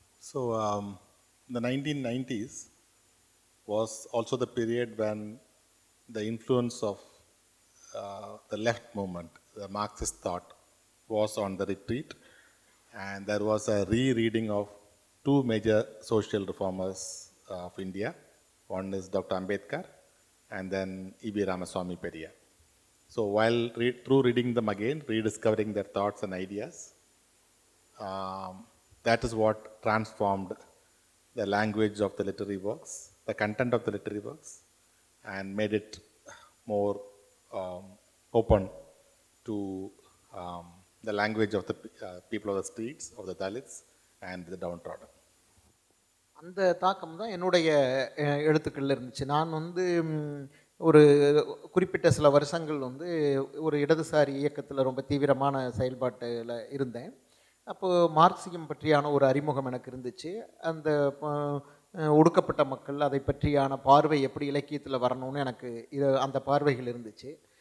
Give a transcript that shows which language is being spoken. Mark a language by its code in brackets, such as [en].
[en] So இந்த 1990s was also the period when the influence of the left movement, the Marxist thought was on the retreat and there was a rereading of two major social reformers of India. One is Dr. Ambedkar and then E.B. Ramaswamy Periyar. So while through reading them again, rediscovering their thoughts and ideas, that is what transformed the language of the literary works, the content of the literary works, and made it more open to the language of the people of the streets, of the Dalits and the downtrodden. [ta] அந்த தாக்கம் தான் என்னுடைய எழுத்துக்களில் இருந்துச்சு. நான் வந்து ஒரு குறிப்பிட்ட சில வருஷங்கள் வந்து ஒரு இடதுசாரி இயக்கத்தில் ரொம்ப தீவிரமான செயல்பாட்டில் இருந்தேன். அப்போது மார்க்சியம் பற்றியான ஒரு அறிமுகம் எனக்கு இருந்துச்சு. அந்த ஒடுக்கப்பட்ட மக்கள் அதை பற்றியான பார்வை எப்படி இலக்கியத்தில் வரணும்னு எனக்கு அந்த பார்வைகள் இருந்துச்சு.